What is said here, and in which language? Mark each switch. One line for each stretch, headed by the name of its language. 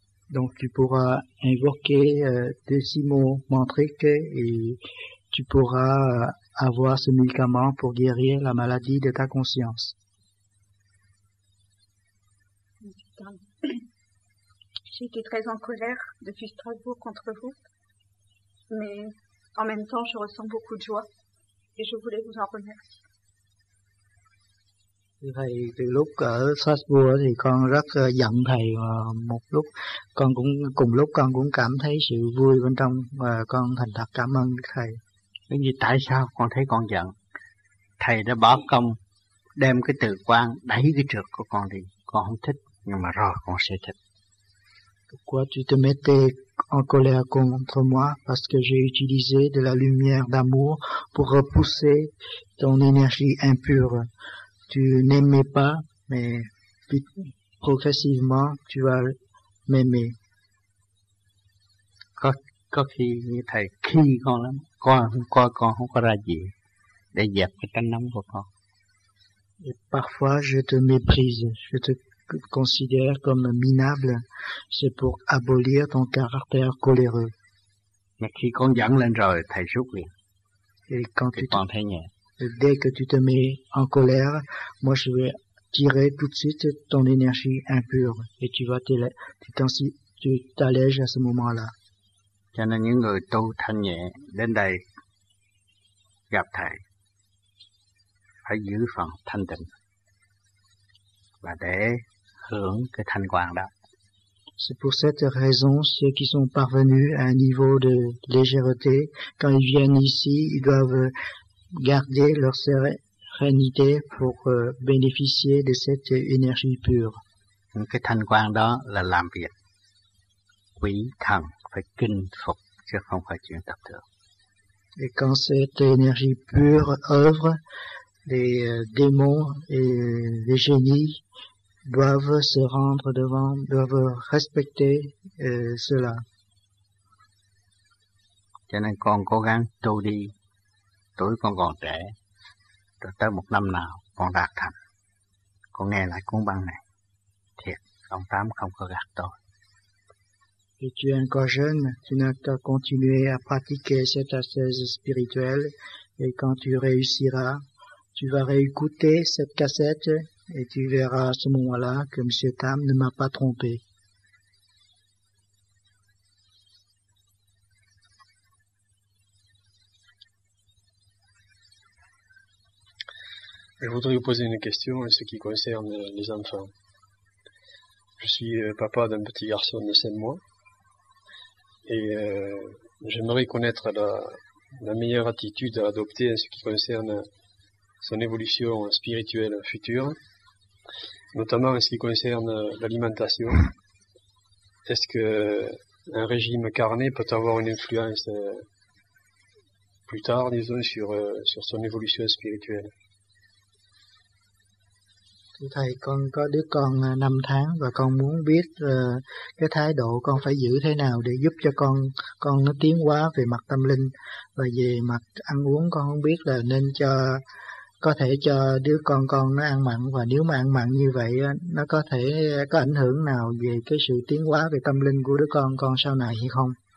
French: Donc, tu pourras invoquer des décimaux mantriques et tu pourras avoir ce médicament pour guérir la maladie de ta conscience. J'ai été très en colère depuis Strasbourg contre vous, mais en même temps, je ressens beaucoup de joie et je voulais vous en remercier.
Vietnamese: Thầy từ lúc ở Strasbourg thì con rất giận thầy, một lúc con cũng cùng lúc con cũng cảm thấy sự vui bên trong và con thành thật cảm ơn thầy. Bởi vì tại sao con thấy con giận? Thầy đã bỏ công đem cái từ quang đẩy cái trượt của con đi, con không thích, nhưng mà rồi con sẽ thích.
French: Pourquoi tu te mettais en colère contre moi? Parce que j'ai utilisé de la lumière d'amour pour repousser ton énergie impure. Tu n'aimais pas, mais progressivement, tu vas m'aimer.
Vietnamese: Có khi như thầy khi con lắm, con không có ra gì để dẹp cái tánh nóng của con.
French: Et parfois, je te méprise, je te considère comme minable, c'est pour abolir ton caractère coléreux. Mais
Vietnamese: khi con giận lên rồi, thầy rút liền.
French: Et quand
Vietnamese: thì con thấy nhẹ.
French: Dès que tu te mets en colère, moi je vais tirer tout de suite ton énergie impure et tu t'allèges à ce moment-là.
Vietnamese: Cho nên những người tu thanh nhẹ đến đây gặp thầy phải giữ phần thanh tịnh và để hưởng cái thanh quang đó.
French: C'est pour cette raison ceux qui sont parvenus à un niveau de légèreté, quand ils viennent ici, ils doivent garder leur sérénité pour bénéficier de cette énergie pure.
Vietnamese: Cái thanh quang đó là làm việc. Quỷ thần phải kinh phục chứ không phải chuyện tập thường.
French: Et quand cette énergie pure œuvre, les démons et les génies doivent se rendre devant, doivent respecter cela.
Vietnamese: Cho nên con cố gắng tu đi, tuổi con còn trẻ, rồi tới một năm nào con đạt thành, con nghe lại cuốn băng này, thiệt, ông Tám không có gạt tôi.
French: Et tu es encore jeune, tu n'as qu'à continuer à pratiquer cette assise spirituelle, et quand tu réussiras, tu vas réécouter cette cassette, et tu verras à ce moment-là que M. Tam ne m'a pas trompé. Je voudrais vous poser une question en ce qui concerne les enfants. Je suis papa d'un petit garçon de 5 mois. Et j'aimerais connaître la meilleure attitude à adopter en ce qui concerne son évolution spirituelle future, notamment en ce qui concerne l'alimentation. Est-ce que un régime carné peut avoir une influence plus tard, disons, sur son évolution spirituelle?
Vietnamese: Thưa thầy, con có đứa con 5 tháng và con muốn biết cái thái độ con phải giữ thế nào để giúp cho con nó tiến hóa về mặt tâm linh, và về mặt ăn uống con không biết là nên cho, có thể cho đứa con nó ăn mặn, và nếu mà ăn mặn như vậy nó có thể có ảnh hưởng nào về cái sự tiến hóa về tâm linh của đứa con sau này hay không?